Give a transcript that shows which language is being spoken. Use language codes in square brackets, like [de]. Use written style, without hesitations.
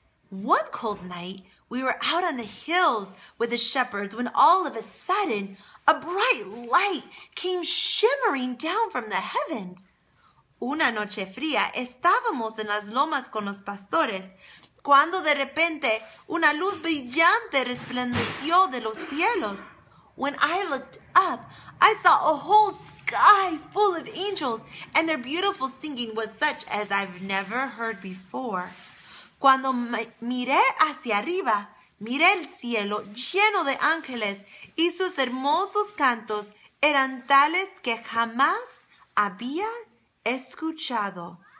[en] One cold night, we were out on the hills with the shepherds when all of a sudden, a bright light came shimmering down from the heavens. [es] Una noche fría, estábamos en las lomas con los pastores, cuando de repente, una luz brillante resplandeció de los cielos. [en] When I looked up, I saw a whole sky full of angels, and their beautiful singing was such as I've never heard before. [es] Cuando miré hacia arriba, miré el cielo lleno de ángeles, y sus hermosos cantos eran tales que jamás había escuchado.